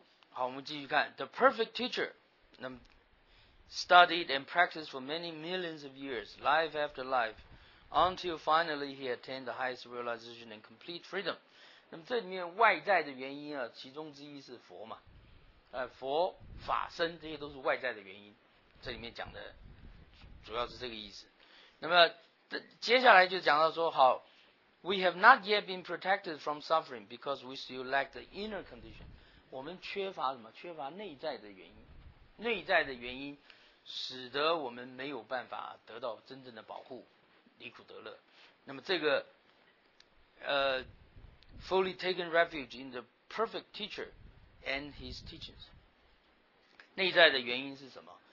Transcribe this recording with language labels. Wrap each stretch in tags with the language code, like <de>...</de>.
<zh>好，我们继续看</zh> <en>The perfect teacher studied and practiced for many millions of years, life after life, until finally he attained the highest realization and complete freedom.</en> <zh>那么这里面外在的原因啊，其中之一是佛嘛，佛法身这些都是外在的原因，这里面讲的主要是这个意思。那么接下来就讲到说，好，</zh> <en>We have not yet been protected from suffering because we still lack the inner condition.</en> <zh>我们缺乏什么？缺乏内在的原因，内在的原因使得我们没有办法得到真正的保护，离苦得乐。那么这个</zh> <en>fully taken refuge in the perfect teacher and his teachings，</en> <zh>内在的原因是什么？</zh>